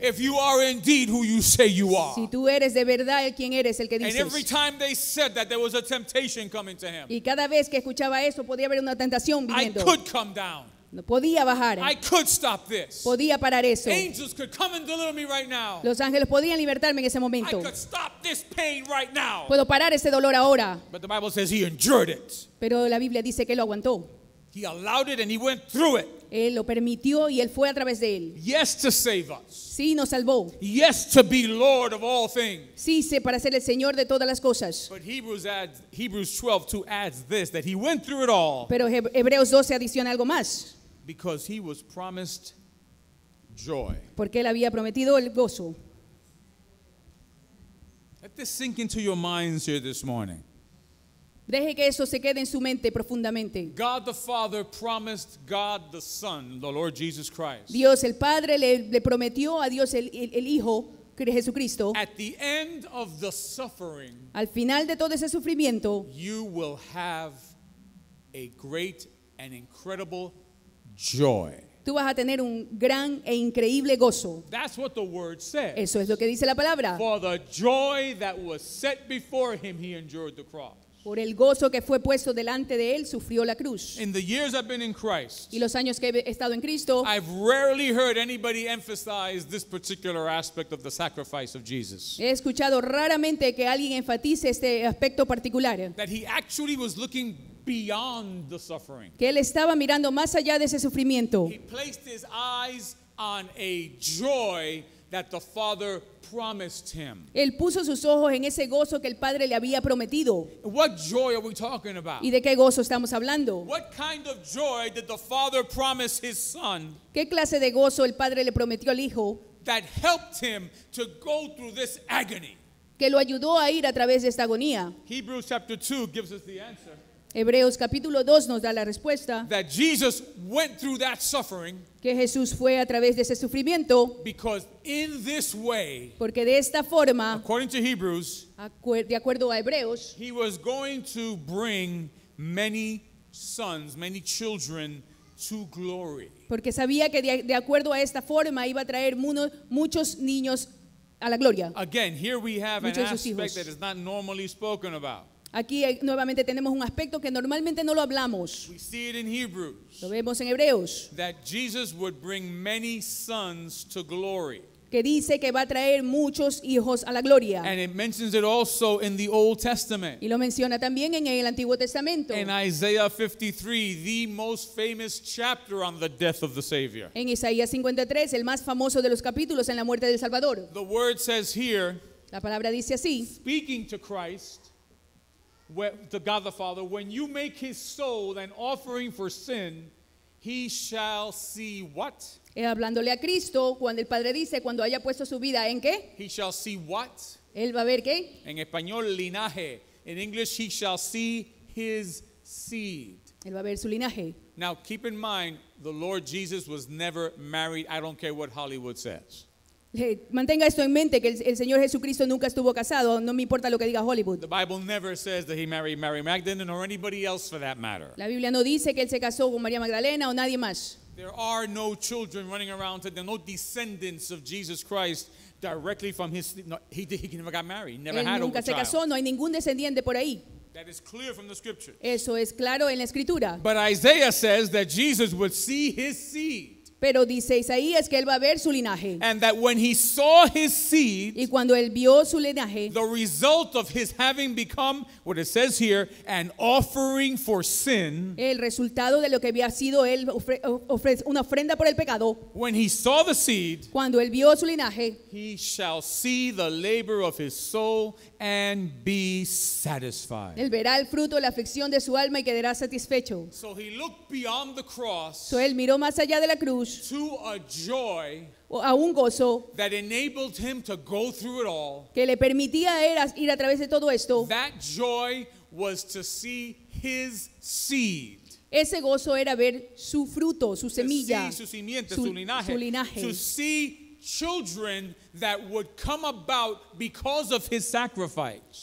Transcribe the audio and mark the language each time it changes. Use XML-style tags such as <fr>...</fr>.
<en>If you are indeed who you say you are.</en> <es>Si tú eres de verdad el quien eres, el que dices.</es> <en>And every time they said that, there was a temptation coming to him.</en> <es>Y cada vez que escuchaba eso, podía haber una tentación viniendo.</es> <en>I could come down.</en> <es>No podía bajar.</es> <en>I could stop this.</en> <es>Podía parar eso.</es> <en>Angels could come and deliver me right now.</en> <es>Los ángeles podían libertarme en ese momento.</es> <en>I could stop this pain right now.</en> <es>Puedo parar ese dolor ahora.</es> <en>But the Bible says he endured it.</en> <es>Pero la Biblia dice que lo aguantó.</es> <en>He allowed it and he went through it.</en> <es>Él lo permitió y él fue a través de él.</es> <en>Yes, to save us.</en> <es>Sí, nos salvó.</es> <en>Yes, to be Lord of all things.</en> <es>Sí, para ser el Señor de todas las cosas.</es> <en>But Hebrews 12:2 adds this, that he went through it all.</en> <es>Pero Hebreos 12 adiciona algo más.</es> <en>Because he was promised joy.</en> <es>Porque él había prometido el gozo.</es> <en>Let this sink into your minds here this morning.</en> <es>Deje que eso se quede en su mente profundamente.</es> <en>God the Father promised God the Son, the Lord Jesus Christ.</en> <es>Dios el Padre le prometió a Dios el Hijo, Jesucristo.</es> <en>At the end of the suffering,</en> <es>al final de todo ese sufrimiento,</es> <en>you will have a great and incredible joy.</en> <es>Tú vas a tener un gran e increíble gozo.</es> <en>That's what the word says.</en> <es>Eso es lo que dice la palabra.</es> <en>For the joy that was set before him, he endured the cross.</en> <es>Por el gozo que fue puesto delante de él, sufrió la cruz.</es> <en>In the years I've been in Christ,</en> <es>y los años que he estado en Cristo,</es> <en>I've rarely heard anybody emphasize this particular aspect of the sacrifice of Jesus.</en> <es>He escuchado raramente que alguien enfatice este aspecto particular.</es> <en>That he actually was looking beyond the suffering.</en> <es>Que él estaba mirando más allá de ese sufrimiento.</es> <en>He placed his eyes on a joy that the Father promised him.</en> <es>Él puso sus ojos en ese gozo que el Padre le había prometido.</es> <en>What joy are we talking about?</en> <es>¿Y de qué gozo estamos hablando?</es> <en>What kind of joy did the Father promise his Son?</en> <es>¿Qué clase de gozo el Padre le prometió al Hijo?</es> <en>That helped him to go through this agony.</en> <es>Que lo ayudó a ir a través de esta agonía.</es> <en>Hebrews chapter 2 gives us the answer.</en> <es>Hebreos capítulo 2 nos da la respuesta.</es> <en>That Jesus went through that suffering.</en> <es>Que Jesús fue a través de ese sufrimiento.</es> <en>Because in this way,</en> <es>porque de esta forma,</es> <en>according to Hebrews,</en> <es>de acuerdo a Hebreos,</es> <en>he was going to bring many sons, many children to glory.</en> <es>Porque sabía que de acuerdo a esta forma iba a traer muchos niños a la gloria.</es> <en>Again, here we have an aspect that is not normally spoken about.</en> <es>Aquí nuevamente tenemos un aspecto que normalmente no lo hablamos.</es> <en>We see it in Hebrews,</en> <es>lo vemos en Hebreos.</es> <en>That Jesus would bring many sons to glory.</en> <es>Que dice que va a traer muchos hijos a la gloria.</es> <en>And it mentions it also in the Old Testament.</en> <es>Y lo menciona también en el Antiguo Testamento.</es> <en>In Isaiah 53, the most famous chapter on the death of the Savior.</en> <es>En Isaías 53, el más famoso de los capítulos en la muerte del Salvador.</es> <en>The word says here,</en> <es>la palabra dice así,</es> <en>speaking to Christ, to God the Father, when you make his soul an offering for sin, he shall see what?</en> <es>Hablándole a Cristo, cuando el Padre dice, cuando haya puesto su vida, ¿en qué?</es> <en>He shall see what?</en> <es>Él va a ver qué? En español, linaje.</es> <en>In English, he shall see his seed.</en> <es>Él va a ver su linaje.</es> <en>Now, keep in mind, the Lord Jesus was never married. I don't care what Hollywood says.</en> <es>Mantenga esto en mente, que el Señor Jesucristo nunca estuvo casado. No me importa lo que diga Hollywood.</es> <en>The Bible never says that he married Mary Magdalene or anybody else for that matter.</en> <es>La Biblia no dice que él se casó con María Magdalena o nadie más.</es> <en>There are no children running around today, no descendants of Jesus Christ directly from his... No, he never got married. He never</en> <es>él</es> <en>had</en> <es>nunca</es> <en>a child.</en> <es>Se casó, no hay ningún descendiente por ahí.</es> <en>That is clear from the scriptures.</en> <es>Eso es claro en la escritura.</es> <en>But Isaiah says that Jesus would see his seed.</en> <es>Pero dice Isaías que él va a ver su linaje.</es> <en>And that when he saw his seed,</en> <es>y cuando él vio su linaje,</es> <en>the result of his having become, what it says here, an offering for sin,</en> <es>el resultado de lo que había sido él una ofrenda por el pecado,</es> <en>when he saw the seed,</en> <es>cuando él vio su linaje,</es> <en>he shall see the labor of his soul and be satisfied.</en> <es>Él verá el fruto, la aflicción de su alma y quedará satisfecho.</es> <en>So he looked beyond the cross.</en> <es>So él miró más allá de la cruz.</es> <en>To a joy,</en> <es>a un gozo,</es> <en>that enabled him to go through it all,</en> <es>que le permitía ir a través de todo esto.</es> <en>That joy was to see his seed.</en> <es>Ese gozo era ver su fruto, su semilla,</es> <en>to see</en> <es>su simiente, su linaje, su linaje.</es> <en>To see children that would come about because of his sacrifice.</en>